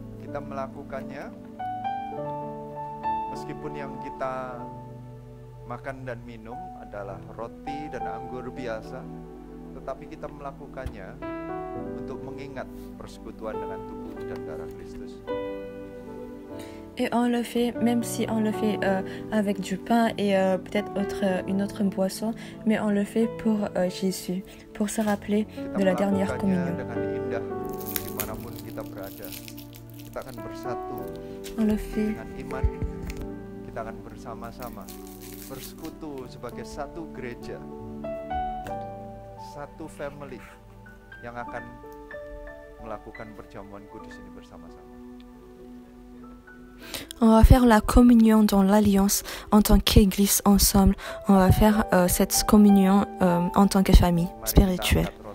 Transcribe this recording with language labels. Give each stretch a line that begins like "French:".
Indonesian: Kita melakukannya meskipun yang kita makan dan minum adalah roti dan anggur biasa, tetapi kita melakukannya untuk mengingat persekutuan dengan tubuh dan darah Kristus.
French: Et on le fait même si on le fait avec du pain et peut-être autre une autre boisson, mais on le fait pour Jésus, pour se rappeler
Indonesian: kita
French: de la dernière communion.
Indonesian: Dengan indah, dimanapun kita berada, kita akan bersatu.
French: On le fait
Indonesian: dengan iman, kita akan bersama-sama bersekutu sebagai satu gereja, satu family yang akan melakukan perjamuan kudus ini bersama-sama.
French: On va faire la communion dans l'alliance en tant qu'église ensemble. On va faire cette communion en tant que famille spirituelle.